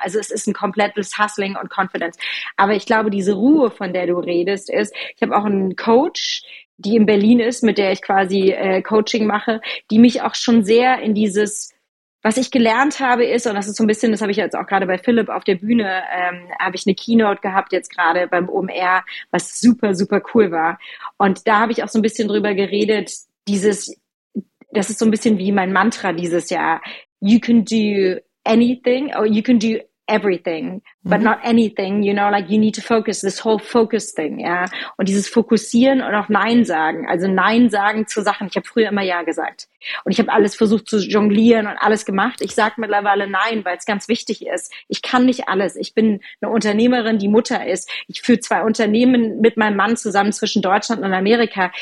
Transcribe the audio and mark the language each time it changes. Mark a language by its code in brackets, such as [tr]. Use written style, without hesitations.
[de] Also es ist ein komplettes Hustling und Confidence. Aber ich glaube, diese Ruhe, von der du redest, ist, ich habe auch einen Coach, die in Berlin ist, mit der ich quasi Coaching mache, die mich auch schon sehr in dieses, was ich gelernt habe, ist, und das ist so ein bisschen, das habe ich jetzt auch gerade bei Philipp auf der Bühne, habe ich eine Keynote gehabt jetzt gerade beim OMR, was super, super cool war. Und da habe ich auch so ein bisschen drüber geredet, das ist so ein bisschen wie mein Mantra dieses Jahr. [en] You can do anything, or you can do everything, but not anything, you know, like you need to focus, this whole focus thing, [de] ja. [en] Yeah? [de] Und dieses Fokussieren und auch Nein sagen, also Nein sagen zu Sachen. Ich habe früher immer Ja gesagt. Und ich habe alles versucht zu jonglieren und alles gemacht. Ich sage mittlerweile Nein, weil es ganz wichtig ist. Ich kann nicht alles. Ich bin eine Unternehmerin, die Mutter ist. Ich führe 2 Unternehmen mit meinem Mann zusammen zwischen Deutschland und Amerika.